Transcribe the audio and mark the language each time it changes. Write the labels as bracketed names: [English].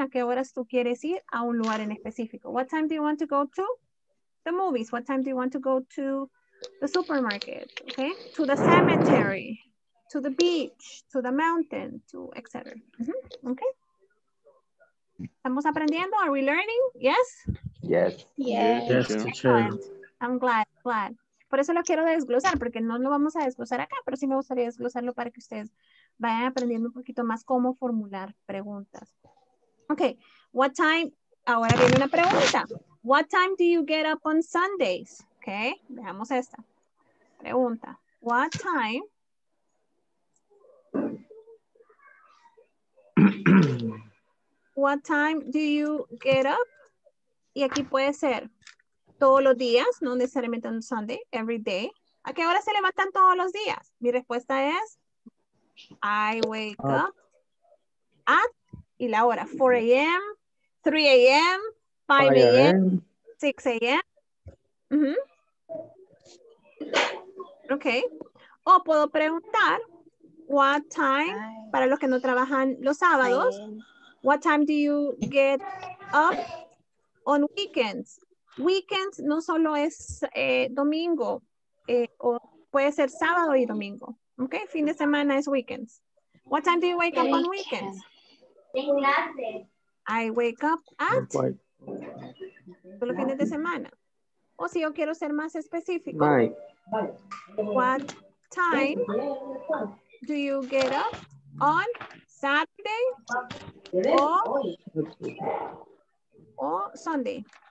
[Spanish] ¿A qué horas tú quieres ir a un lugar en específico? [English] What time do you want to go to the movies? What time do you want to go to the supermarket? Okay, to the cemetery, to the beach, to the mountain, to etc. Mm-hmm. Okay. [Spanish] ¿Estamos aprendiendo? [English] Are we learning? Yes? Yes. Yes. Yes. I'm glad. [Spanish] Por eso lo quiero desglosar, porque no lo vamos a desglosar acá, pero sí me gustaría desglosarlo para que ustedes vayan aprendiendo un poquito más cómo formular preguntas. Ok, [English] what time, [Spanish] ahora viene una pregunta. [English] What time do you get up on Sundays? Ok, [Spanish] veamos esta pregunta. [English] What time do you get up? [Spanish] Y aquí puede ser todos los días, no necesariamente [English] on Sunday, every day. [Spanish] ¿A qué hora se levantan todos los días? Mi respuesta es [English] I wake up at, [Spanish] y la hora, 4 a.m., 3 a.m., 5 a.m., 6 a.m. [English] Uh-huh. Ok. [Spanish] O puedo preguntar, [English] what time, [Spanish] para los que no trabajan los sábados, [English] what time do you get up on weekends? [Spanish] Weekends no solo es domingo, o puede ser sábado y domingo. Okay, fin de semana is weekends. [English] What time do you wake up on weekends? I wake up at [Spanish] solo fines de semana. O si yo quiero ser más específico. [English] What time do you get up on Saturday or Sunday?